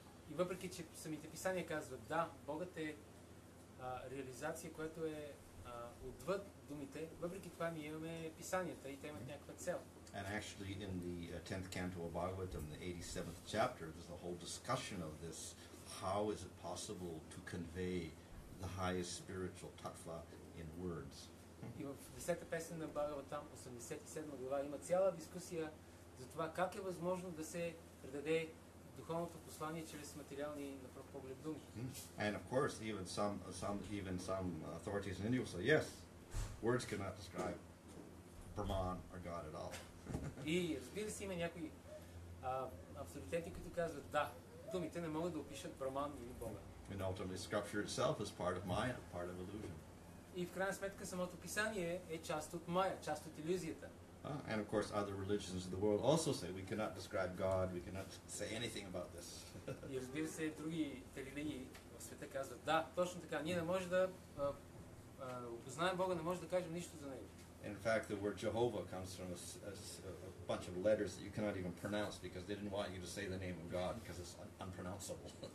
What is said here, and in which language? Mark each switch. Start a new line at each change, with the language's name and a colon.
Bulgarian: И въпреки че самите писания казват да, Богът е реализация, която е отвъд думите, въпреки това ние имаме писанията и те имат някаква цел.
English: And actually in the 10th canto of Bhagavatam, the 87th chapter, there's a whole discussion of this. How is it possible to convey the highest spiritual tattva in words?
Bulgarian: И в 10-та песен на Бхагаватам, 87-та глава, има цяла дискусия за това как е възможно да се предаде духовното послание чрез материални на пръв поглед думи.
English: And of course, even some authorities in India will say, yes, words cannot describe Brahman or God at all.
Bulgarian: И разбира се, има някои авторитети, които казват, да, думите не могат да опишат Браман или Бога.
English: And ultimately, scripture itself is part of Maya, part of illusion.
Bulgarian: И в крайна сметка, самото писание е част от Майя, част от иллюзията.
English: And of course, other religions of the world also say, we cannot describe God, we cannot say anything about this.
Bulgarian: И разбира се, други религии в света казват, да, точно така, ние не можем да опознаем Бога, не можем да кажем нищо за Него.
English: In fact, the word Jehovah comes from a bunch of letters that you cannot even pronounce because they didn't want you to say the name of God because it's unpronounceable.